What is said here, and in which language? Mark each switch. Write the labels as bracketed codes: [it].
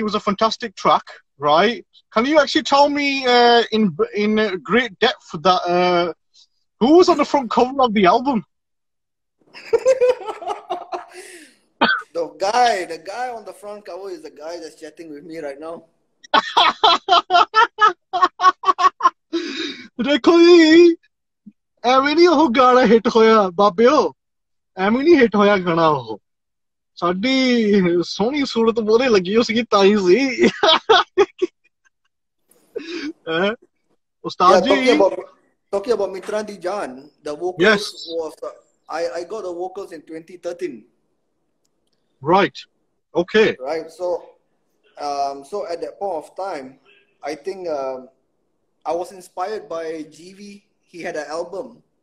[en] It was a fantastic track, right? Can you actually tell me in great depth that who was on the front cover of the album? The guy on the front cover is the guy that's chatting with me right now. [pa] Dekho ji, ਐਵੇਂ ਨਹੀਂ ਉਹ ਗਾਣਾ hit ਹੋਇਆ ਬਾਬਿਓ, ਐਵੇਂ ਨਹੀਂ hit ਹੋਇਆ ਗਾਣਾ ਉਹ, ਸਾਡੀ ਸੋਹਣੀ ਸੂਰਤ ਮੋਹਰੇ ਲੱਗੀ ਹੋ ਸੀਗੀ ਤਾਂ ਹੀ ਸੀ ਉਸਤਾਦ ਜੀ. [en] Talking about Mitra Di Jaan, the vocals, yes. Was, I got the vocals in 2013. Right. Okay. Right. So, so at that point of time, I think I was inspired by GV. He had an album.